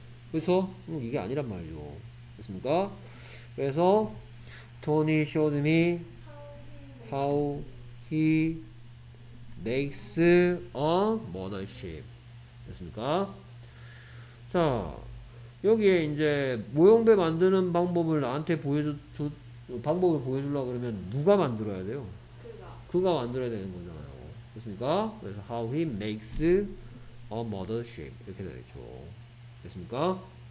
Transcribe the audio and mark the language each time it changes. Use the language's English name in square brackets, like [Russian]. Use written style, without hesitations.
[Korean] 그래서 이게 아니란 말이죠. 됐습니까? 그래서 [English] Tony showed me how he makes a mothership. [Korean] 됐습니까? 자, 여기에 이제 모형배 만드는 방법을 나한테 방법을 보여주려고 그러면 누가 만들어야 돼요? 그가 만들어야 되는 거잖아요. 됐습니까? 그래서 [English] how he makes a mothership [Korean] 이렇게 되겠죠. 됐습니까?